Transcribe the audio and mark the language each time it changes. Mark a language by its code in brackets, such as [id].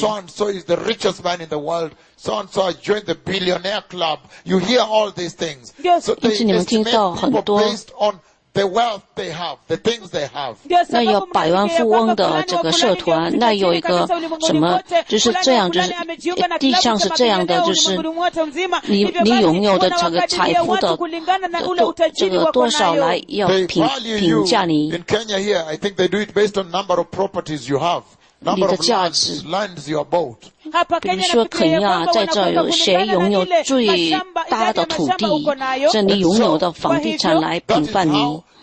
[en] So is the richest man in the world. So and so joined the billionaire club. You hear all these things. So they estimate based on the wealth they have, the things they have. [zh] 那有百万富翁的这个社团，那有一个什么，就是这样，就是地上是这样的，就是你拥有的这个财富的这个多少来要评价你。 [en] In Kenya here, I think they do it based on number of properties you have. [zh] 你的价值，比如说肯亚在这有谁拥有最大的土地，这你拥有的房地产来评判你。